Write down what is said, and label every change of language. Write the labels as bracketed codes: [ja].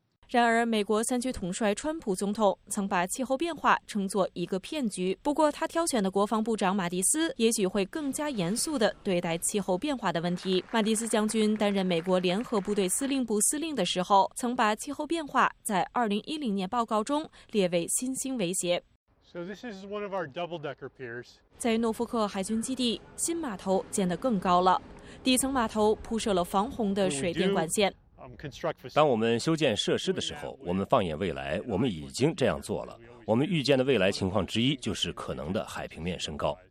[zh] 然而，美国三军统帅川普总统曾把气候变化称作一个骗局。不过，他挑选的国防部长马蒂斯也许会更加严肃地对待气候变化的问题。马蒂斯将军担任美国联合部队司令部司令的时候，曾把气候变化在2010年报告中列为新兴威胁。 [en] So this is one of our double-decker piers. [zh] 在诺福克海军基地，新码头建得更高了，底层码头铺设了防洪的水电管线。当我们修建设施的时候，我们放眼未来，我们已经这样做了。我们预见的未来情况之一就是可能的海平面升高。